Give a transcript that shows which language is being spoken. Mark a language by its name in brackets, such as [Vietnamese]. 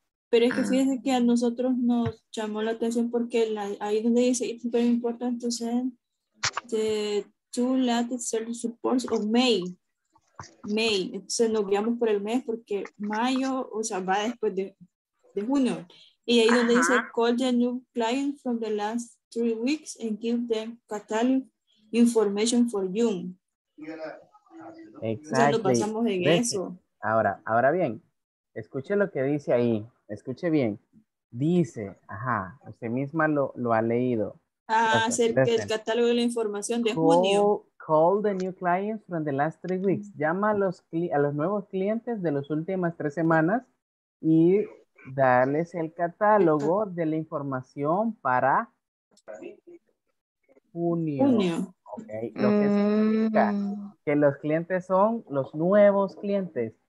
[Spanish] Pero es que fíjense que a nosotros nos llamó la atención porque ahí donde dice [English] it's very important to send the two latest service reports of May. May. [Spanish] Entonces nos guiamos por el mes porque mayo, o sea, va después de junio. Y ahí donde dice, [English] call the new client from the last 3 weeks and give them catalog information for June. [Spanish] Exacto. O sea, nos basamos en eso. Ahora bien, escuche lo que dice ahí. Escuche bien. Dice, usted misma lo ha leído. Acerca del catálogo de la información de junio. [English] Call the new clients from the last 3 weeks. [Spanish] Llama a los nuevos clientes de las últimas 3 semanas y darles el catálogo de la información para junio. Okay. Lo que significa que los clientes son los nuevos clientes.